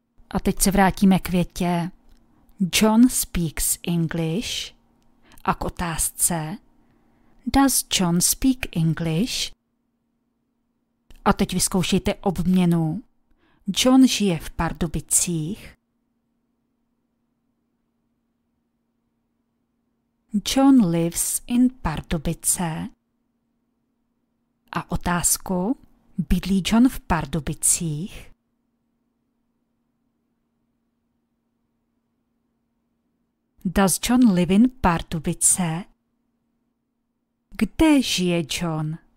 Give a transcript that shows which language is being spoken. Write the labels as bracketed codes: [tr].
[cs] A teď se vrátíme k větě [en] John speaks English [cs] a k otázce [en] Does John speak English? [cs] A teď vyzkoušejte obměnu. John žije v Pardubicích. [en] John lives in Pardubice. [cs] A otázku, bydlí John v Pardubicích? [en] Does John live in Pardubice? [cs] Kde žije John?